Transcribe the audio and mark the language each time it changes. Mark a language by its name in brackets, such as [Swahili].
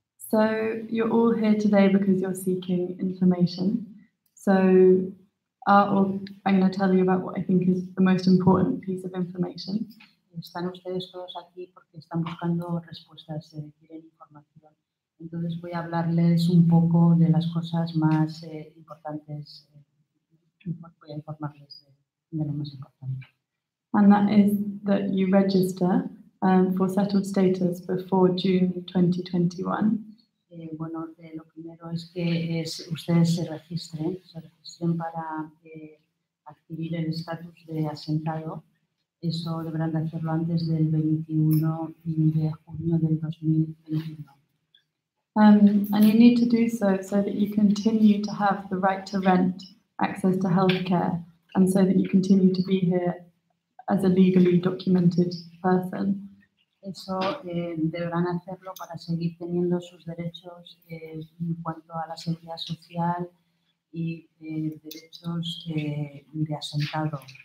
[English] So you're all here today because you're seeking information. So I'm going to tell you about what I think is the most important piece of information. [Spanish] Están ustedes todos aquí porque están buscando respuestas, quieren información. Entonces voy a hablarles un poco de las cosas más importantes. Voy a informarles de lo más importante. [English] And that is that you register for settled status before June 2021. [Spanish] Bueno, lo primero es que ustedes se registren para adquirir el estatus de asentado. Eso deberán de hacerlo antes del 21 de junio del 2021. [English] And you need to do so so that you continue to have the right to rent, access to healthcare, and so that you continue to be here as a legally documented person. [Spanish] Eso deberán hacerlo para seguir teniendo sus derechos en cuanto a la seguridad social y derechos de asentado.